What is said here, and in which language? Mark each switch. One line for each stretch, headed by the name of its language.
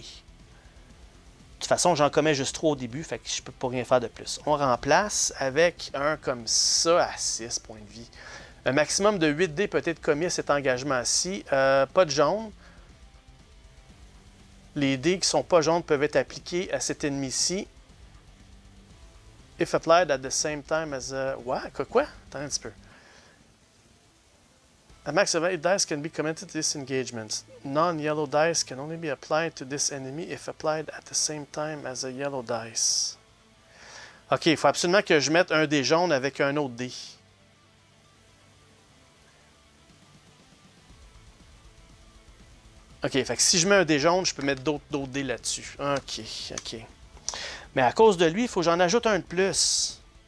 French: De toute façon, j'en commets juste 3 au début, fait que je peux pas rien faire de plus. On remplace avec un comme ça à 6 points de vie. Un maximum de 8 dés peut être commis à cet engagement-ci. Pas de jaune. Les dés qui sont pas jaunes peuvent être appliqués à cet ennemi-ci.
English: If applied at the same time as a. What?
French: Quoi? Attends un petit peu.
English: A max of 8 dice can be committed to this engagement. Non-yellow dice can only be applied to this enemy if applied at the same time as a yellow dice.
French: OK, il faut absolument que je mette un dé jaune avec un autre dé. OK, fait que si je mets un dé jaune, je peux mettre d'autres dés là-dessus. OK. Mais à cause de lui, il faut que j'en ajoute un de plus.